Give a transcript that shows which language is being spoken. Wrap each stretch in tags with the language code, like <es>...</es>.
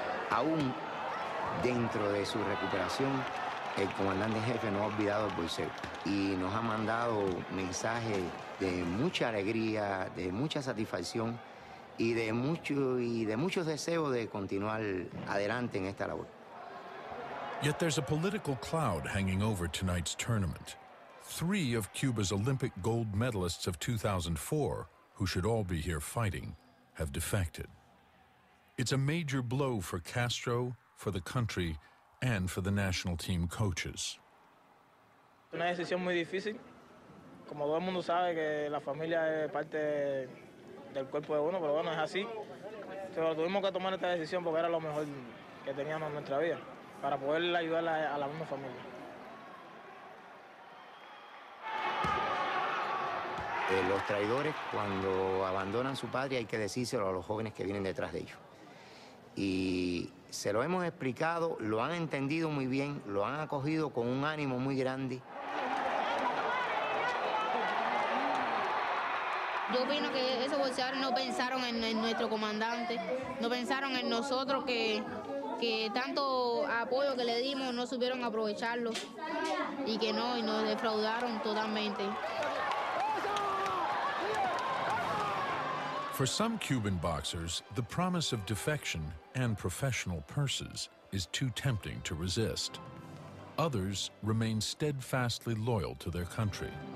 <es>Aún dentro de su recuperación, el comandante jefe no ha olvidado el bolseo y nos ha mandado mensajes de mucha alegría, de mucha satisfacción y de muchos deseos de continuar adelante en esta labor.</es> <en>Yet there's a political cloud hanging over tonight's tournament. Three of Cuba's Olympic gold medalists of 2004, who should all be here fighting, have defected. It's a major blow for Castro, for the country, and for the national team coaches.</en> <es>Una decisión muy difícil. Como todo el mundo sabe que la familia es parte del cuerpo de uno, pero bueno, es así. Pero tuvimos que tomar esta decisión porque era lo mejor que teníamos en nuestra vida para poder ayudar a la misma familia. Los traidores, cuando abandonan su patria, hay que decírselo a los jóvenes que vienen detrás de ellos. Y se lo hemos explicado, lo han entendido muy bien, lo han acogido con un ánimo muy grande. Yo opino que esos bolseadores no pensaron en nuestro comandante, no pensaron en nosotros, que tanto apoyo que le dimos no supieron aprovecharlo y que no, y nos defraudaron totalmente.</es> <en>For some Cuban boxers, the promise of defection and professional purses is too tempting to resist. Others remain steadfastly loyal to their country.</en>